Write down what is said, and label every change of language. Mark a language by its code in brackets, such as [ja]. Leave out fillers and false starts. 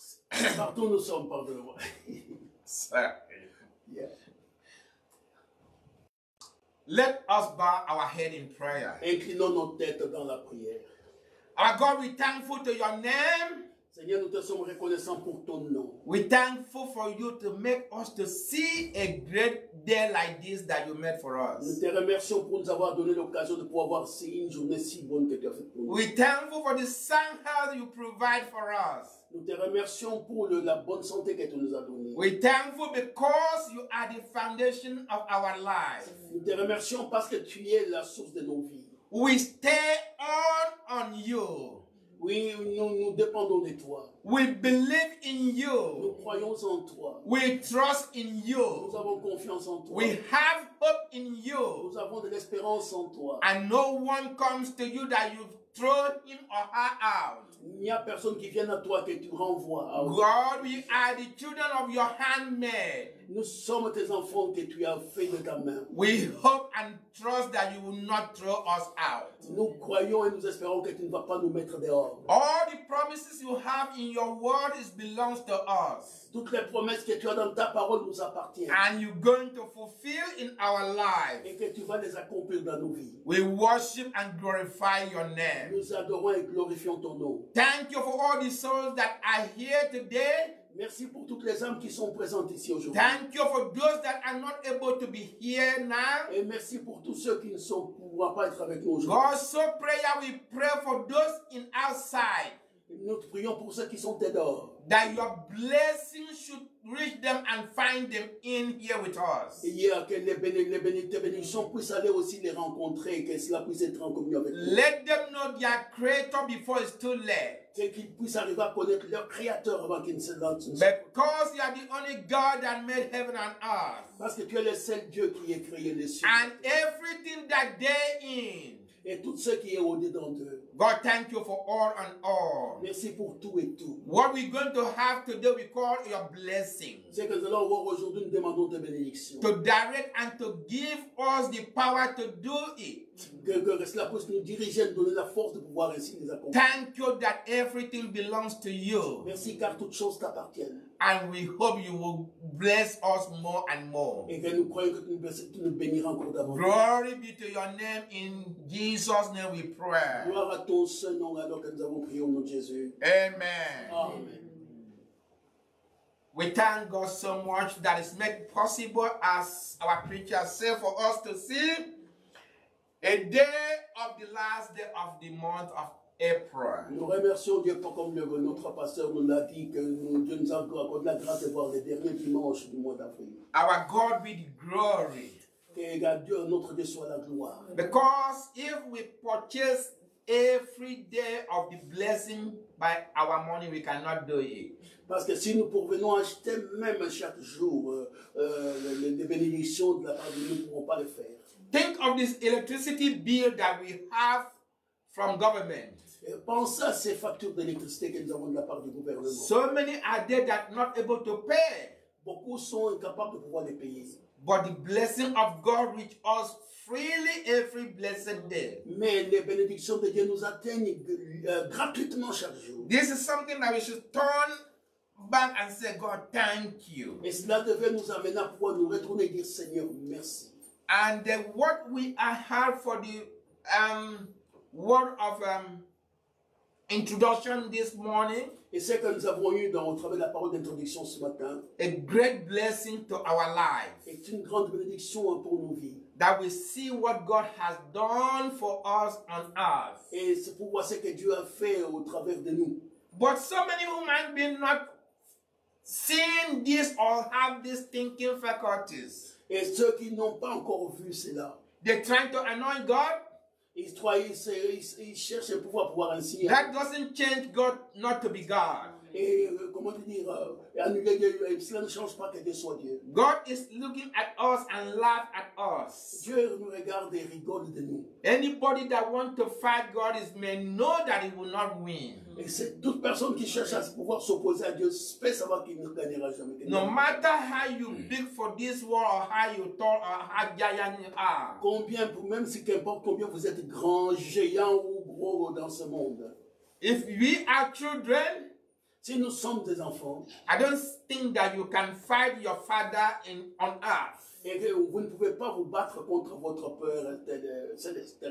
[fr] Partout nous sommes, pardon. [en] Sir. Yeah. Let us bow our head in prayer. [fr] Inclinons nos têtes dans la prière. [en] Our God, we thankful to Your name. [fr] Seigneur, nous te sommes reconnaissants pour ton nom. [en] We thankful for you to make us to see a great day like this that you made for us. [fr] Nous te remercions pour nous avoir donné l'occasion de pouvoir voir une journée si bonne que tu as faite pour nous. [en] We thankful for the sound health you provide for us. [fr] Nous te remercions pour la bonne santé que tu nous as donnée. [en] We thankful because you are the foundation of our life. [fr] Nous te remercions parce que tu es la source de nos vies. [en] We stay on you. [fr] Oui, nous dépendons de toi. [en] We believe in you. [fr] Nous croyons en toi. [en] We trust in you. [fr] Nous avons confiance en toi. [en] We have hope in you. [fr] Nous avons de l'espérance en toi. [en] And no one comes to you that you've thrown him or her out. [fr] Il n'y a personne qui vient à toi que tu renvoies. [en] God, we are the children of your handmaid. [fr] Nous sommes tes enfants que tu as fait de ta main. [en] We hope and trust that you will not throw us out. [fr] Nous croyons et nous espérons que tu ne vas pas nous mettre dehors. [en] All the promises you have in your word is belongs to us. [fr] Toutes les promesses que tu as dans ta parole nous appartiennent. [en] And you're going to fulfill in our lives. [fr] Et que tu vas les accomplir dans nos vies. [en] We worship and glorify your name. [fr] Nous adorons et glorifions ton nom. [en] Thank you for all the souls that are here today. [fr] Merci pour toutes les âmes qui sont présentes ici aujourd'hui. [en] Thank you for those that are not able to be here now. [fr] Et merci pour tous ceux qui ne sont pourront pas être avec nous aujourd'hui. [en] God, so prayer, we pray for those in outside. [fr] Nous prions pour ceux qui sont dehors. [en] That your blessing should reach them and find them in here with us. [fr] Yeah, que les bénédictions puissent aller aussi les rencontrer et que cela puisse être en communion avec eux. [en] Let them know their creator before it's too late. [fr] C'est qu'ils puissent arriver à connaître leur créateur avant qu'ils ne se lancent. [en] Because you are the only God that made heaven and earth. [fr] Parce que tu es le seul Dieu qui a créé les cieux. [en] And everything that they in. [fr] Et tout ce qui est au-dedans d'eux. [en] God, thank you for all and all. [fr] Merci pour tout et tout. [en] What we're going to have today, we call your blessing. [fr] C'est que nous allons avoir aujourd'hui, nous demandons tes bénédictions. [en] To direct and to give us the power to do it. [fr] Que cela puisse nous diriger, nous donner la force de pouvoir ainsi nous accomplir. [en] Thank you that everything belongs to you. [fr] Merci car toutes choses t'appartiennent. [en] And we hope you will bless us more and more. [fr] Et que nous croyons que tu nous béniras encore davantage. [en] Glory be to your name, in Jesus' name we pray. [fr] Gloire à ton seul nom alors que nous avons prié au nom de Jésus. [en] Amen. [fr] Amen. [en] We thank God so much that it's made possible, as our preacher said, for us to see a day of the last day of the month of April. [fr] Nous remercions Dieu pour comme notre pasteur nous l'a dit que Dieu nous a accordé la grâce de voir le dernier dimanche du mois d'avril. [en] Our God be the glory. [fr] Que Dieu notre Dieu soit la gloire. [en] Because if we purchase every day of the blessing by our money, we cannot do it. [fr] Parce que si nous pouvions acheter même chaque jour les bénédictions de la part de Dieu, nous ne pourrons pas le faire. [en] Think of this electricity bill that we have from government. [fr] Pensez à ces factures d'électricité que nous avons de la part du gouvernement. [en] So many are there that are not able to pay. [fr] Beaucoup sont incapables de pouvoir les payer. [en] But the blessing of God reach us freely every blessed day. [fr] Mais les bénédictions de Dieu nous atteignent gratuitement chaque jour. [en] This is something that we should turn back and say, God, thank you. [fr] Et cela devait nous amener à pouvoir nous retourner et dire, Seigneur, merci. [en] And then what we have for the word of introduction this morning. [fr] Et ce que nous avons eu dans au travers de la parole d'introduction ce matin. [en] A great blessing to our life. [fr] Est une grande bénédiction pour nos vies. [en] That we see what God has done for us on earth. [fr] Et c'est pour voir ce que Dieu a fait au travers de nous. [en] But so many women have been not seeing this or have these thinking faculties. [fr] Et ceux qui n'ont pas encore vu cela. [en] They're trying to anoint God. [fr] Ils cherchent un pouvoir ainsi. [en] That doesn't change God not to be God. [fr] Et comment te dire, annuler Dieu, cela ne change pas que Dieu soit Dieu. [en] God is looking at us and laugh at us. [fr] Dieu nous regarde et rigole de nous. [en] Anybody that wants to fight God is may know that he will not win. [fr] Et c'est toute personne qui cherche à pouvoir s'opposer à Dieu, peut savoir qu'il ne gagnera jamais. [en] No matter how you big for this world, or how you tall, or how giant you are. [fr] Combien, même si qu'importe combien vous êtes grand, géant ou gros dans ce monde. [en] If we are children, [fr] si nous sommes des enfants, [en] I don't think that you can fight your father in on earth. [fr] Et vous ne pouvez pas vous battre contre votre peur céleste.